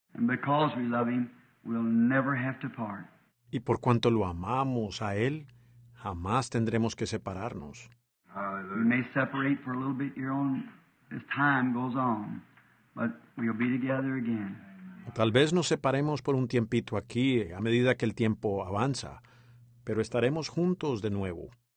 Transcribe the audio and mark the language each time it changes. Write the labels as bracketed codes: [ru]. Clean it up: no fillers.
[en] And because we love him, we'll never have to part. [es] Y por cuanto lo amamos a Él, jamás tendremos que separarnos. [en] Hallelujah. We may separate for a little bit your own as time goes on, but we'll be together again. [es] Tal vez nos separemos por un tiempito aquí a medida que el tiempo avanza, pero estaremos juntos de nuevo.